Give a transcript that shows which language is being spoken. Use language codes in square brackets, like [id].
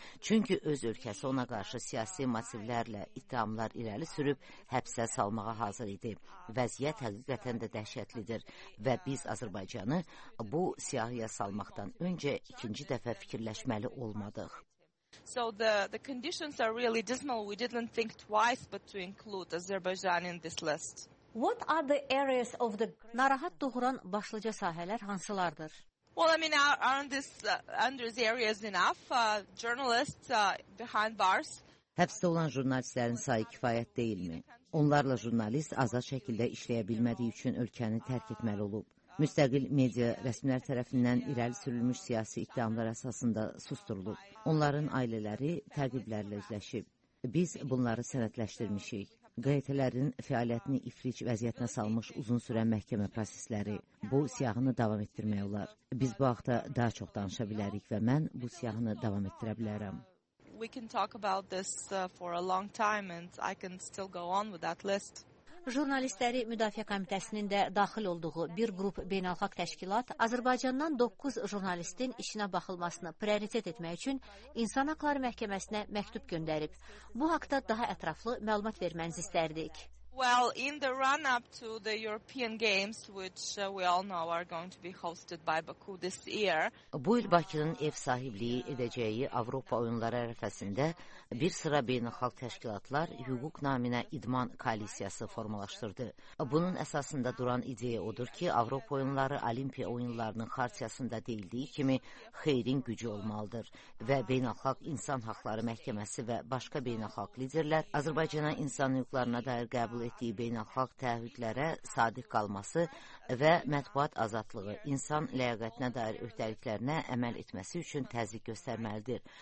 [az] Çünki öz ölkəsi ona qarşı siyasi motivlərlə ittihamlar irəli sürüb həbsə salmağa hazır idi. Vəziyyət həqiqətən də dəhşətlidir və biz Azərbaycanı bu siyahıya salmaqdan öncə ikinci dəfə fikirləşməli olmadıq. [en] So the conditions are really dismal. We didn't think twice but to include Azerbaijan in this list. What are the areas of the [az] narahat doğuran başlıca sahələr hansılardır? [en] Well, I mean, aren't these areas enough? Journalists behind bars. [az] Həbsdə olan jurnalistlərin sayı kifayət deyilmi? Onlarla jurnalist azad şəkildə işləyə bilmədiyi üçün ölkəni tərk etməli olub. Müstəqil media rəsmilər tərəfindən irəli sürülmüş siyasi iddialar əsasında susdurulub. Onların ailələri təqiblərlə üzləşib. Biz bunları sənədləşdirmişik. QT-lərin fəaliyyətini ifric vəziyyətinə salmış uzun sürən məhkəmə prosesləri bu siyahını davam etdirmək olar. Biz bu haqda daha çox danışa bilərik və mən bu siyahını davam etdirə bilərəm. [en] We can talk about this for a long time and I can still go on with that list. [az] Jurnalistləri Müdafiə Komitəsinin də daxil olduğu bir qrup beynəlxalq təşkilat Azərbaycandan 9 jurnalistin işinə baxılmasını prioritet etmək üçün İnsan Haqları Məhkəməsinə məktub göndərib. Bu haqda daha ətraflı məlumat verməyinizi istərdik. [en] Well, in the run-up to the European Games, which we all know are going to be hosted by Baku this year. [az] Bu il Bakı'nın ev sahipliği edeceği Avrupa oyunları ərəfəsində bir sıra beynəlxalq təşkilatlar hüquq naminə idman koalisiyası formalaşdırdı. Bunun əsasında duran ideya odur ki, Avropa oyunları Olimpiya oyunlarının xartiyasında deyildiyi kimi xeyrin gücü olmalıdır və Beynəlxalq İnsan Haqları Məhkəməsi və başqa beynəlxalq liderlər Azərbaycana insan hüquqlarına dair qəbul etdiyi beynəlxalq təəhüdlərə sadiq qalması və mətbuat azadlığı, insan ləyaqətinə dair öhdəliklərinə əməl etməsi üçün təzyiq göstərməlidir.